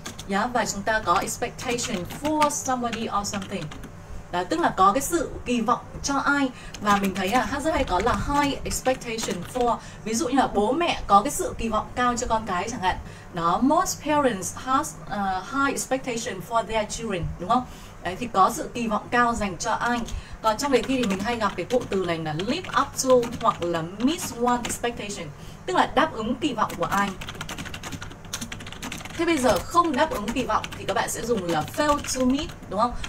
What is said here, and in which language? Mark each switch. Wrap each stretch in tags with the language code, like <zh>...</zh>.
<vi>Yeah, và chúng ta có expectation for somebody or something. Đó, tức là có cái sự kỳ vọng cho ai. Và mình thấy là rất hay có là high expectation for. Ví dụ như là bố mẹ có cái sự kỳ vọng cao cho con cái chẳng hạn.</vi> <en>Đó, most parents have high expectation for their children, đúng không?</en> <vi>Đấy, thì có sự kỳ vọng cao dành cho ai. Còn trong đề thi thì mình hay gặp cái cụm từ này là live up to hoặc là meet one expectation, tức là đáp ứng kỳ vọng của ai. Thế bây giờ không đáp ứng kỳ vọng thì các bạn sẽ dùng là fail to meet, đúng không?</vi>